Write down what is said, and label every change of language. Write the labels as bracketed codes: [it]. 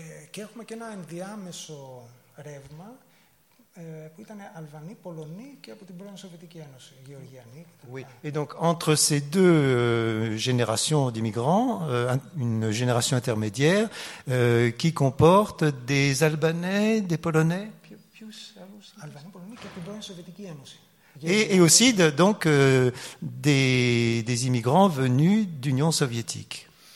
[el] Και έχουμε και ένα ενδιάμεσο ρεύμα που ήταν Αλβανοί, Πολωνοί και από την πρώην Σοβιετική Ένωση, Γεωργιανοί. [fr] Oui. Et donc entre ces deux générations d'immigrants, une génération intermédiaire qui comporte des Albanais, des Polonais. [el] Αλβανοί, Πολωνοί και από την πρώην Σοβιετική Ένωση. [fr] Et aussi donc des immigrants venus d'Union soviétique.